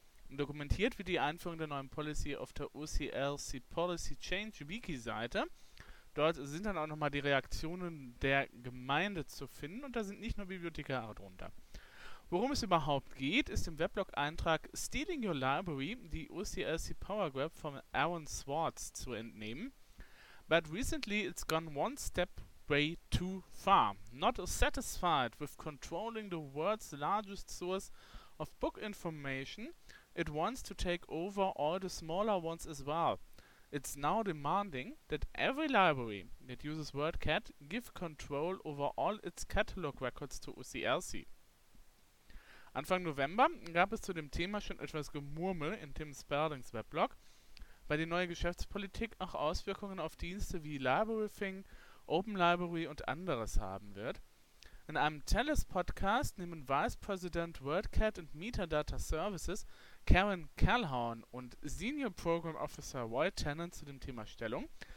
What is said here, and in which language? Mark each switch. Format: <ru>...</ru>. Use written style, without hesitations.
<de>Dokumentiert wird die Einführung der neuen Policy auf der OCLC Policy Change Wiki-Seite. Dort sind dann auch nochmal die Reaktionen der Gemeinde zu finden und da sind nicht nur Bibliothekare drunter. Worum es überhaupt geht, ist im Weblog-Eintrag Stealing Your Library, die OCLC Power Grab von Aaron Swartz zu entnehmen.</de> <en>But recently it's gone one step way too far. Not satisfied with controlling the world's largest source of book information, it wants to take over all the smaller ones as well. It's now demanding that every library that uses WordCat give control over all its catalog records to OCLC.</en> <de>Anfang November gab es zu dem Thema schon etwas Gemurmel in Tim Spellings Weblog, weil die neue Geschäftspolitik auch Auswirkungen auf Dienste wie LibraryThing, Open Library und anderes haben wird. In einem TELUS-Podcast nehmen Vice President WordCat and Metadata Services Karen Calhoun und Senior Program Officer Roy Tennant zu dem Thema Stellung.</de>